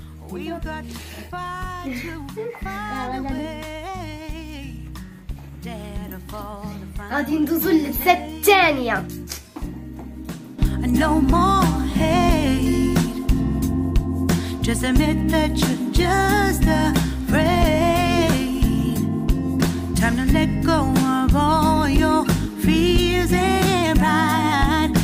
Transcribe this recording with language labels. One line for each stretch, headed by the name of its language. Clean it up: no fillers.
English: We've got to fight to find a way. Dare to fall to find.
Arabic: غادي ندوزو للبسة الثانية.
English: No more hate. Just admit that you're just afraid. Time to let go of all your fears and pride.